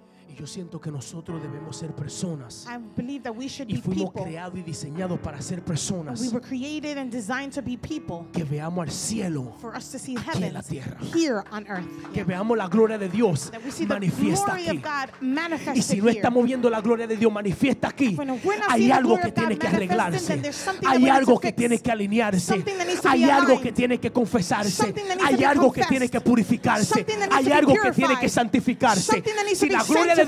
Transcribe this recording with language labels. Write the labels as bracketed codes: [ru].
[es] Y yo siento que nosotros debemos ser personas. [en] I believe that we should [es] y [en] be people. [es] Y fuimos creados y diseñados para ser personas. [en] We were created and designed to be people. [es] Que veamos al cielo. [en] For us to see heaven. [es] En la tierra. [en] Here on earth. [es] Que veamos la gloria de Dios manifiesta aquí. [en] That we see the glory of God manifested here. [es] Y si no estamos viendo la gloria de Dios manifiesta aquí. Hay algo que tiene que arreglarse. Hay algo que tiene que alinearse. Hay algo que tiene que confesarse. Hay algo que tiene que purificarse. Hay algo que tiene que santificarse. Si la gloria de